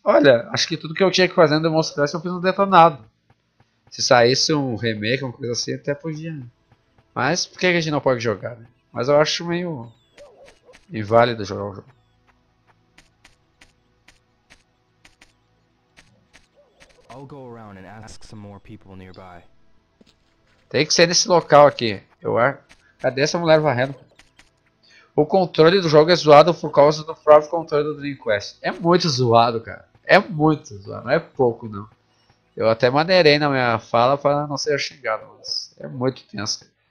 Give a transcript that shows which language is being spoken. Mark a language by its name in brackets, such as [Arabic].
[Portuguese] Olha, acho que tudo que eu tinha que fazer no Demon's Crest eu fiz um detonado. Se saísse um remake, uma coisa assim, até podia. Mas por que a gente não pode jogar, né? Mas eu acho meio inválido jogar o jogo. [English] I'll go around and ask some more people nearby. [Portuguese] Tem que ser nesse local aqui. Cadê essa mulher varrendo? O controle do jogo é zoado por causa do próprio controle do Dreamcast. É muito zoado, cara. É muito zoado, não é pouco não. Eu até maneirei na minha fala para não ser xingado, mas é muito tenso.